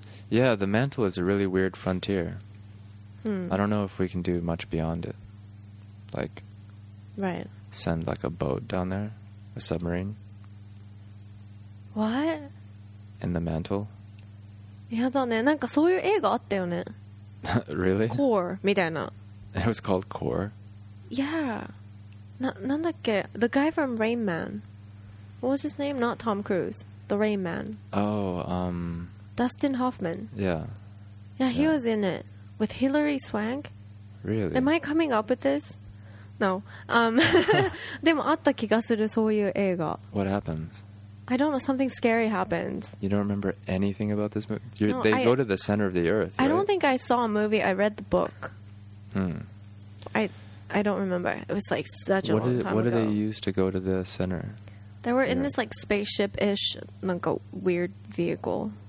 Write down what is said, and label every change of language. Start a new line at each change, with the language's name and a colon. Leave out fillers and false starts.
English: Yeah, the mantle is a really weird frontier. I don't know if we can do much beyond it. Like, right. Send like a boat down there, a submarine. What? In the mantle?
Japanese: やだね、なんかそういう映画あったよね。
English: Really?
Japanese: Core みたいな。
English: It was called Core? Yeah.
Japanese: なんだっけ?
English: The guy from Rain Man. What was his name? Not Tom Cruise. The Rain Man. Oh, Dustin Hoffman. Yeah. Yeah, he was in it. With Hilary Swank. Really? Am I coming up with this? No.
Japanese: でもあった気がする、そういう映画。
English: What happens? I don't know. Something scary happens. You don't remember anything about this movie? No, they go to the center of the Earth. Right? I don't think I saw a movie. I read the book. Hmm. I don't remember. It was like such a long time ago. What did they use to go to the center? They were in this like spaceship-ish, like a weird vehicle.